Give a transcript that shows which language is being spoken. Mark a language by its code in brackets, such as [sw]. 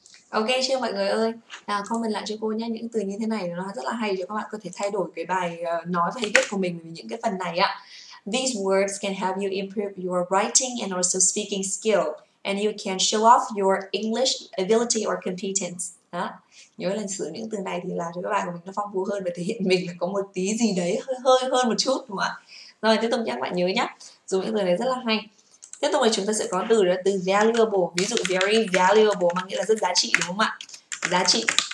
[vi] Ok chưa mọi người ơi? Nào comment lại cho cô nhé. Những từ như thế này nó rất là hay cho các bạn có thể thay đổi cái bài nói và viết của mình về những cái phần này ạ. [en] These words can help you improve your writing and also speaking skill, and you can show off your English ability or competence. [vi] Đó. Nhớ là sử dụng những từ này thì làm cho các bài của mình nó phong phú hơn và thể hiện mình là có một tí gì đấy hơi hơn một chút, đúng không ạ? Rồi tiếp tục nhắc bạn nhớ nhé. Dùng những từ này rất là hay. Tiếp tục là chúng ta sẽ có từ đó, từ valuable. Ví dụ very valuable mang nghĩa là rất giá trị, đúng không ạ? Giá trị.